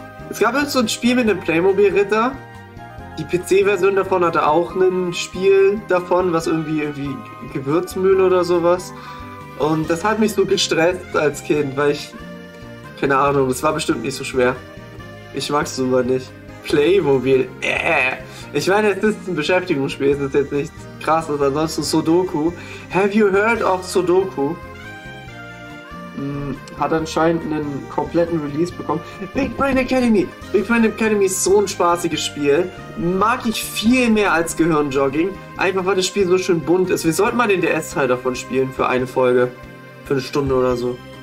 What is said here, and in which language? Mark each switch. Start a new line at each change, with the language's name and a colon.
German: Es gab jetzt so ein Spiel mit einem Playmobil-Ritter. Die PC-Version davon hatte auch ein Spiel davon, was irgendwie Gewürzmühle oder sowas. Und das hat mich so gestresst als Kind, weil ich. Keine Ahnung, das war bestimmt nicht so schwer. Ich mag's sogar nicht. Playmobil, Ich meine, es ist ein Beschäftigungsspiel, es ist jetzt nichts Krasses, ansonsten Sudoku.
English: Have you heard of Sudoku?
German: Hat anscheinend einen kompletten Release bekommen. Big Brain Academy! Big Brain Academy ist so ein spaßiges Spiel. Mag ich viel mehr als Gehirnjogging. Einfach weil das Spiel so schön bunt ist. Wir sollten mal den DS-Teil davon spielen für eine Folge. Für eine Stunde oder so.